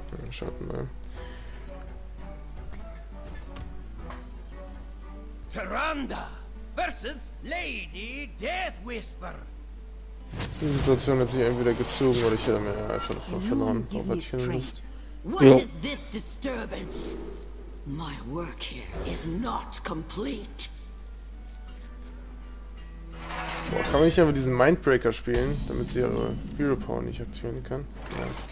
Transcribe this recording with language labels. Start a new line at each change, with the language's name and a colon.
German: Schaut mal. Taranda versus Lady Death Whisper. Die Situation hat sich entweder gezogen oder ich hätte mir einfach verloren, auf was ich hin muss.
English: What is this disturbance? My work here is not complete.
German: Boah, kann man nicht einfach diesen Mindbreaker spielen, damit sie ihre Hero Power nicht aktivieren kann? Ja.